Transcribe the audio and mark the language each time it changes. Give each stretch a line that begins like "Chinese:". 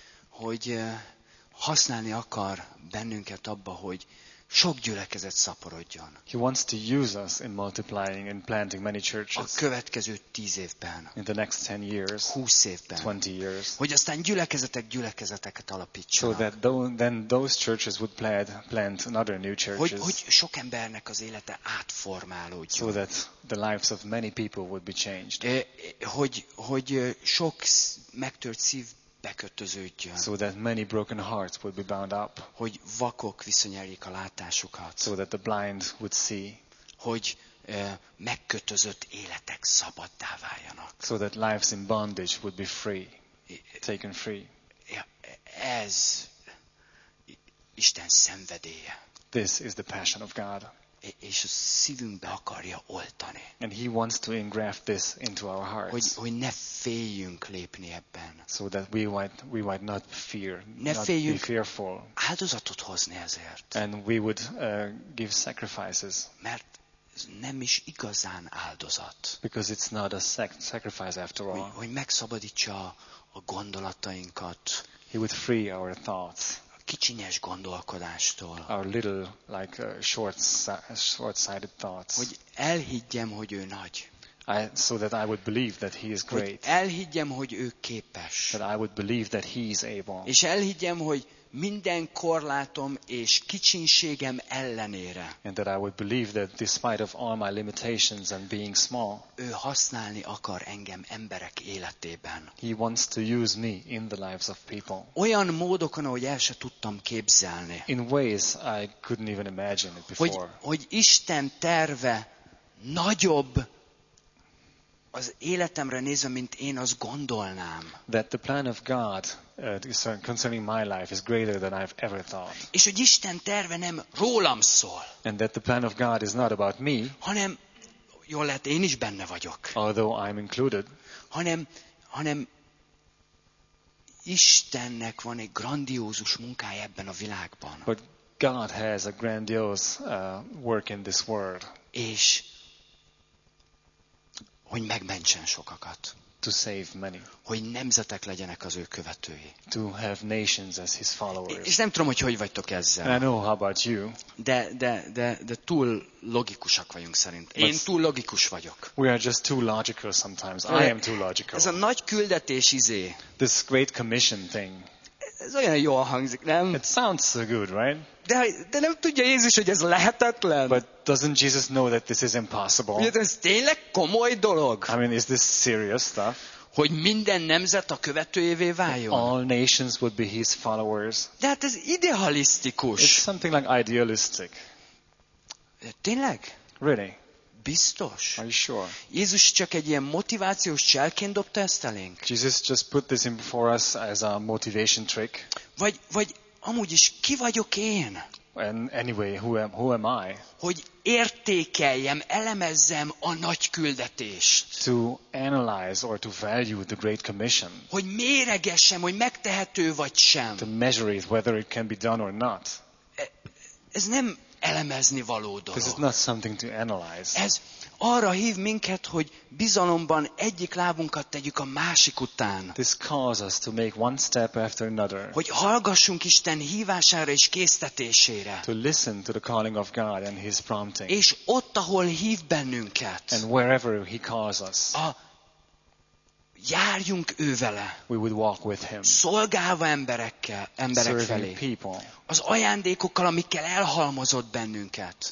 Hungarian: Hogy használni akar bennünket abba, hogy sok gyülekezet szaporodjon.
English: He wants to use us in multiplying and planting many churches.
Hungarian: A következő 10 évben.
English: In the next 10 years.
Hungarian: 20 évben.
English: 20 years.
Hungarian: Hogy aztán gyülekezeteket alapítsanak.
English: So that then those churches would plant another new churches.
Hungarian: Hogy sok embernek az élete átformálódjon.
English: So that the lives of many people would be changed.
Hungarian: Hogy sok megtört szív bekötöződjön.
English: So that many broken hearts would be bound up.
Hungarian: Hogy vakok visszanyerjék a látásukat.
English: So that the blind would see.
Hungarian: Hogy megkötözött életek szabaddá váljanak.
English: So that lives in bondage would be free. Taken free.
Hungarian: Ez Isten szenvedélye.
English: This is the passion of God.
Hungarian: És a szívünkbe akarja oltani.
English: And he wants to engraft this into our hearts.
Hungarian: Hogy ne féljünk lépni ebben.
English: So that we might not fear, not be fearful.
Hungarian: Áldozatot hozni ezért.
English: And we would give sacrifices.
Hungarian: Mert nem is igazán áldozat.
English: Because it's not a sacrifice after all.
Hungarian: Hogy megszabadítsa a gondolatainkat.
English: He would free our thoughts.
Hungarian: Kicsinyes gondolkodástól.
English: Our little, like short-sighted thoughts.
Hungarian: Hogy elhiggyem, hogy ő nagy.
English: so that I would believe that he is great.
Hungarian: Hogy elhiggyem, hogy ő képes.
English: That I would believe that he is able.
Hungarian: És elhiggyem, hogy minden korlátom és kicsinségem ellenére.
English: And that I would believe that despite of all my limitations and being small.
Hungarian: Ő használni akar engem emberek életében.
English: He wants to use me in the lives of people.
Hungarian: Olyan módokon, ahogy el se tudtam képzelni.
English: In ways I couldn't even imagine it before.
Hungarian: Hogy Isten terve nagyobb az életemre nézve, mint én azt gondolnám.
English: That the plan of God concerning my life is greater than I've ever thought.
Hungarian: És hogy Isten terve nem rólam szól.
English: And that the plan of God is not about me.
Hungarian: Hanem, jól lehet, én is benne vagyok.
English: Although I'm included.
Hungarian: Hanem Istennek van egy grandiózus munkája ebben a világban.
English: But God has a grandiose work in this world.
Hungarian: És hogy megmentsen sokakat.
English: To save many.
Hungarian: Hogy nemzetek legyenek az ő követői.
English: To have nations as his followers.
Hungarian: És nem tudom, hogy vagytok ezzel.
English: I know, how about you?
Hungarian: De túl logikusak vagyunk szerint. Én túl logikus vagyok.
English: We are just too logical sometimes. I am too logical.
Hungarian: Ez a nagy küldetés izé.
English: This great commission thing.
Hungarian: Ez olyan jól hangzik, nem?
English: It sounds so good, right?
Hungarian: De nem tudja Jézus, hogy ez lehetetlen.
English: But doesn't Jesus know that this is impossible?
Hungarian: Ugye, ez tényleg komoly dolog.
English: I mean, is this serious stuff?
Hungarian: Hogy minden nemzet a követőjévé váljon.
English: All nations would be his followers.
Hungarian: De hát ez idealisztikus.
English: It's something like idealistic.
Hungarian: Tényleg?
English: Really?
Hungarian: Biztos?
English: Are you sure?
Hungarian: Jézus csak egy ilyen motivációs cselként dobta ezt elénk.
English: Jesus just put this in for us as a motivation trick.
Hungarian: Vagy amúgy is ki vagyok én?
English: And anyway, who am I?
Hungarian: Hogy értékeljem, elemezzem a nagy küldetést.
English: To analyze or to value the great commission.
Hungarian: Hogy méregessem, hogy megtehető vagy sem.
English: To measure it, whether it can be done or not.
Hungarian: Ez nem elemezni való dolog.
English: This is not something to analyze.
Hungarian: Ez arra hív minket, hogy bizalomban egyik lábunkat tegyük a másik után.
English: This calls us to make one step after another.
Hungarian: Hogy hallgassunk Isten hívására és késztetésére.
English: To listen to the calling of God and his prompting.
Hungarian: És ott, ahol hív bennünket.
English: And wherever he calls us.
Hungarian: Járjunk ő vele.
English: We would walk with him.
Hungarian: Szolgálva emberek felé.
English: People.
Hungarian: Az ajándékokkal, amikkel elhalmozott bennünket.